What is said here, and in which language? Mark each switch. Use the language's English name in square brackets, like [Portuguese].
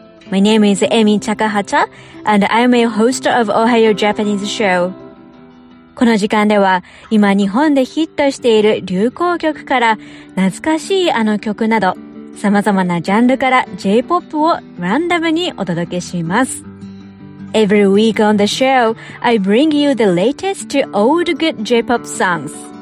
[English] My name is Amy Takahata, and I'm a host of Ohio Japanese Show. [Japanese] この時間では、今日本でヒットしている流行曲から、懐かしいあの曲など、様々なジャンルから J-POP をランダムにお届けします。 [English] Every week on the show, I bring you the latest old good J-POP songs.